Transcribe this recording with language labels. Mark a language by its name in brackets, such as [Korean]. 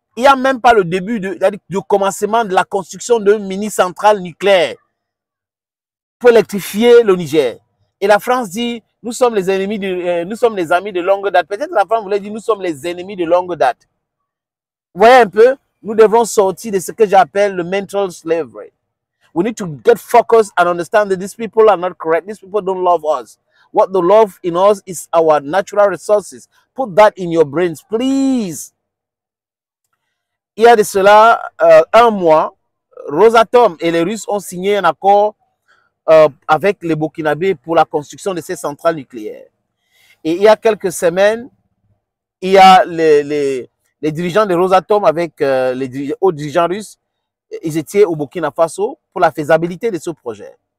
[French] Il n'y a même pas le début de commencement de la construction d'une mini-centrale nucléaire pour électrifier le Niger. Et la France dit, nous sommes les ennemis nous sommes les amis de longue date. Peut-être la France voulait dire, nous sommes les ennemis de longue date. Vous voyez un peu, nous devons sortir de ce que j'appelle le [English] mental slavery. We need to get focused and understand that these people are not correct. These people don't love us. What they love in us is our natural resources. Put that in your brains, please. [French] Il y a de cela un mois, Rosatom et les Russes ont signé un accord avec les Burkinabés pour la construction de ces centrales nucléaires. Et il y a quelques semaines, il y a les dirigeants de Rosatom avec les hauts dirigeants russes, ils étaient au Burkina Faso pour la faisabilité de ce projet.